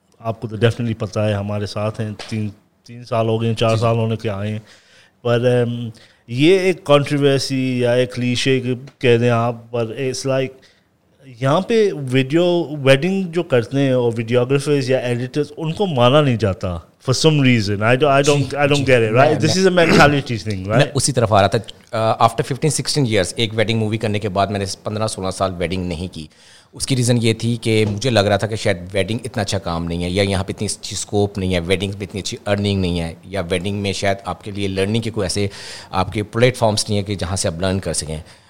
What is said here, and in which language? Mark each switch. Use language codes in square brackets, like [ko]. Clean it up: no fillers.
[hi] आपको तो डेफिनेटली पता है, हमारे साथ हैं, तीन साल हो गए, चार साल होने के आए हैं. पर ये एक कॉन्ट्रोवर्सी या एक क्लीशे कह दें आप, पर इट्स लाइक यहाँ पे वीडियो वेडिंग जो करते हैं और वीडियोग्राफर्स या एडिटर्स, उनको माना नहीं जाता. [en] For some reason, I don't get it. Right? This is a mentality thing, right? [hi] मैं उसी तरफ आ रहा था. After 15-16 years, एक wedding movie करने के बाद मैंने 15-16 साल wedding नहीं की. उसकी reason ये थी कि मुझे लग रहा था कि शायद wedding इतना अच्छा काम नहीं है, या यहाँ पे इतनी अच्छी scope नहीं है, wedding पे इतनी अच्छी earning नहीं है, या wedding में शायद आपके लिए learning के कोई ऐसे आपके platforms नहीं है कि जहाँ से आप learn कर सकें.